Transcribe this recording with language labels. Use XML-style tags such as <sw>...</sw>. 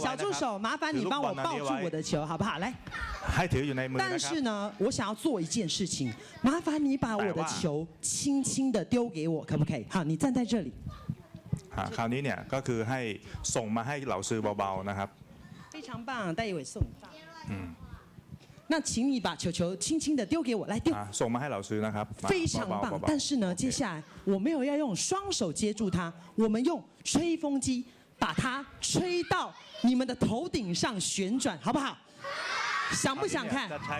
<zh>小助手，麻烦你帮我抱住我的球，好不好？来。还得有那么。但是呢，我想要做一件事情，麻烦你把我的球轻轻的丢给我，可不可以？好，你站在这里。</zh> <th>好，คราวนี้เนี่ยก็คือให้ส่งมาให้老师เบาๆนะครับ</th> <zh>非常棒，戴一伟送你。嗯，那请你把球球轻轻的丢给我，来丢。送我们海老师那个。非常棒，但是呢，接下来我没有要用双手接住它，我们用吹风机。把它吹到你们的头顶上旋转，好不好？想不想看？</zh>